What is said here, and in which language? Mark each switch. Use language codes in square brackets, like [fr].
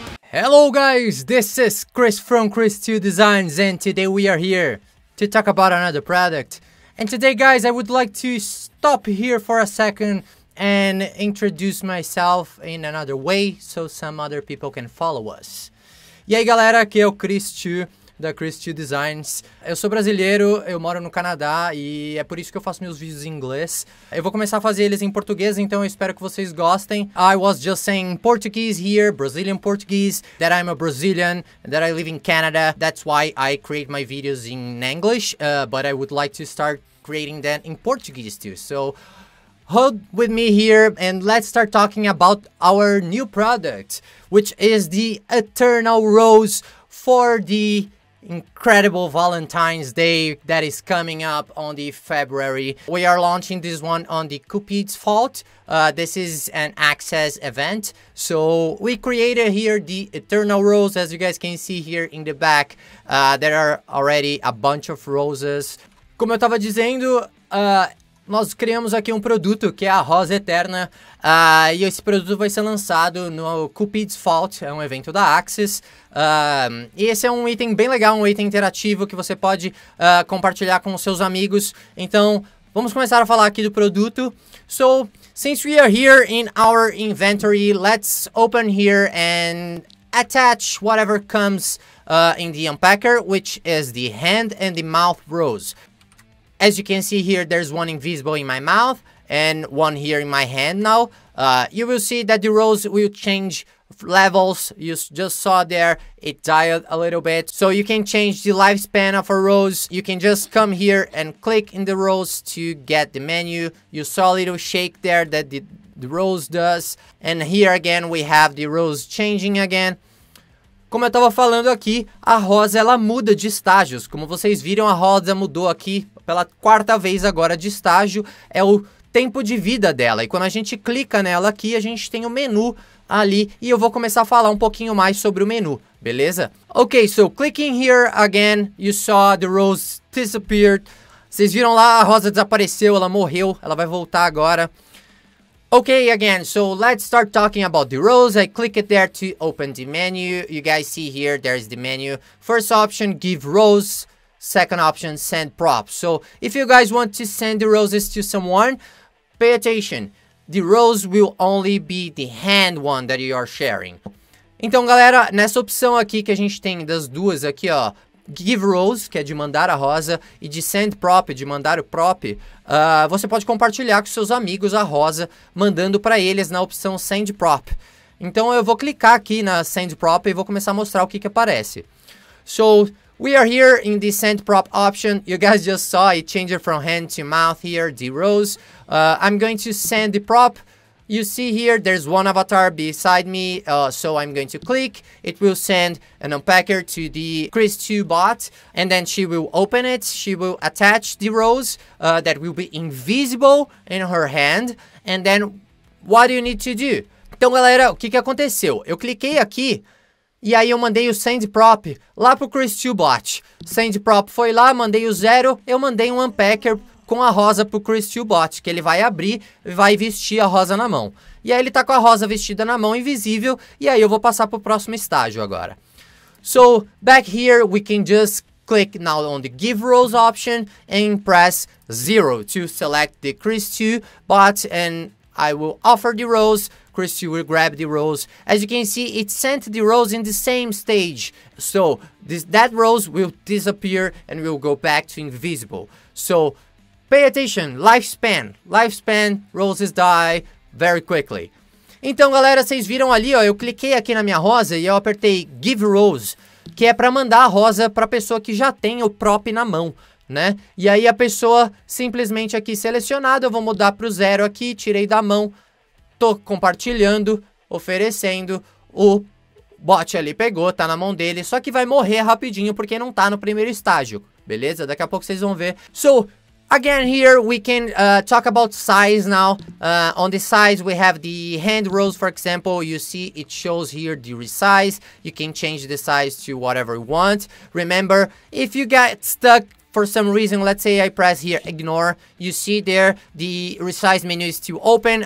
[en] Hello guys, this is Chris from Chris2Designs and today we are here to talk about another product. And today guys, I would like to stop here for a second and introduce myself in another way so some other people can follow us. [pt] E aí galera, aqui é o Chris2 da Chris2Designs. Eu sou brasileiro, eu moro no Canadá e é por isso que eu faço meus vídeos em inglês. Eu vou começar a fazer eles em português, então eu espero que vocês gostem. [en] I was just saying Portuguese here, Brazilian Portuguese, that I'm a Brazilian, that I live in Canada. That's why I create my videos in English, but I would like to start creating them in Portuguese too. So hold with me here and let's start talking about our new product, which is the Eternal Rose for the incredible Valentine's Day that is coming up on the February. We are launching this one on the Cupid's fault. This is an access event. So we created here the Eternal Rose, as you guys can see here in the back. There are already a bunch of roses. [pt] Como eu tava dizendo, nós criamos aqui um produto que é a Rosa Eterna. E esse produto vai ser lançado no Cupid's Fault, é um evento da Access. E esse é um item bem legal, um item interativo que você pode compartilhar com os seus amigos. Então, vamos começar a falar aqui do produto. [en] So, since we are here in our inventory, let's open here and attach whatever comes in the unpacker, which is the hand and the mouth rose. As you can see here, there's one invisible in my mouth and one here in my hand now. You will see that the rose will change levels. You just saw there, it died a little bit. So you can change the lifespan of a rose. You can just come here and click in the rose to get the menu. You saw a little shake there that the rose does. And here again, we have the rose changing again. [pt] Como eu tava falando aqui, a rosa ela muda de estágios. Como vocês viram, a rosa mudou aqui pela quarta vez agora de estágio, é o tempo de vida dela. E quando a gente clica nela aqui, a gente tem o menu ali e eu vou começar a falar um pouquinho mais sobre o menu, beleza? [en] Ok, so clicking here again, you saw the rose disappeared. [pt] Vocês viram lá, a rosa desapareceu, ela morreu, ela vai voltar agora. [en] Ok, again, so let's start talking about the rose. I click it there to open the menu. You guys see here, there's the menu. First option, give rose. Second option, send props. So if you guys want to send the roses to someone, pay attention. The rose will only be the hand one that you are sharing. [pt] Então, galera, nessa opção aqui que a gente tem das duas aqui, ó, give rose, que é de mandar a rosa, e de send prop, de mandar o prop, você pode compartilhar com seus amigos a rosa, mandando para eles na opção send prop. Então, eu vou clicar aqui na send prop e vou começar a mostrar o que que aparece. [en] So, we are here in the send prop option. You guys just saw it changed from hand to mouth here, the rose. I'm going to send the prop. You see here, there's one avatar beside me, so I'm going to click. It will send an unpacker to the Chris2 bot, and then she will open it. She will attach the rose that will be invisible in her hand. And then, what do you need to do? [pt] Então, galera, o que que aconteceu? Eu cliquei aqui. E aí eu mandei o send prop lá pro Chris2Bot. Send prop foi lá, mandei o zero, eu mandei um unpacker com a rosa pro Chris2Bot, que ele vai abrir e vai vestir a rosa na mão. E aí ele tá com a rosa vestida na mão, invisível, e aí eu vou passar pro próximo estágio agora. [en] So, back here, we can just click now on the give rose option and press zero to select the Chris2Bot and I will offer the rose. Chris, you will grab the rose. As you can see, it sent the rose in the same stage. So, that rose will disappear and will go back to invisible. So, pay attention. Lifespan. Lifespan. Roses die very quickly. [pt] Então, galera, vocês viram ali, ó. Eu cliquei aqui na minha rosa e eu apertei Give Rose, que é para mandar a rosa para a pessoa que já tem o prop na mão, né? E aí, a pessoa simplesmente aqui selecionada, eu vou mudar para o zero aqui, tirei da mão. Tô compartilhando, oferecendo, o bot ali pegou, tá na mão dele, só que vai morrer rapidinho porque não tá no primeiro estágio, beleza? Daqui a pouco vocês vão ver. [en] So, again here we can talk about size now. On the size we have the hand rose, for example, you see it shows here the resize. You can change the size to whatever you want. Remember, if you get stuck for some reason, let's say I press here, ignore, you see there, the resize menu is still open.